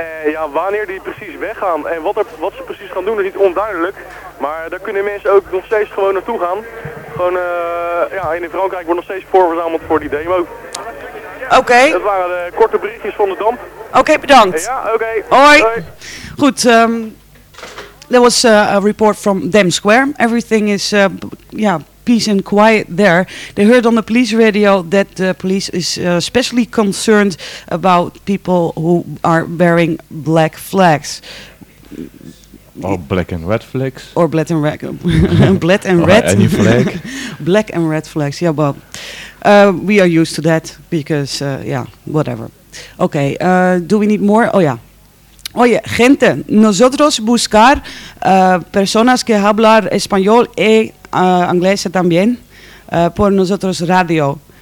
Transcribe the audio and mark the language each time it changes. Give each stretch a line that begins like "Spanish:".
Dutch: Ja, wanneer die precies weggaan en wat ze precies gaan doen is niet onduidelijk. Maar daar kunnen mensen ook nog steeds gewoon naartoe gaan. Gewoon, in Frankrijk wordt nog steeds voorverzameld voor die demo. Oké. Okay. Dat waren de korte berichtjes van de Dam. Oké, okay, bedankt. Ja, oké. Okay. Hoi.
English: Goed, that was a report from Dam Square. Everything is, peace and quiet there. They heard on the police radio that the police is especially concerned about people who are wearing black flags. Or black and red flags. Or black and red. Black and red. Any flag. Black and red flags. Yeah, well, we are used to that because, whatever. Okay, do we need more? Oh, yeah.
Spanish: Oye, gente, nosotros buscar personas que hablar español e inglés también por nosotros radio.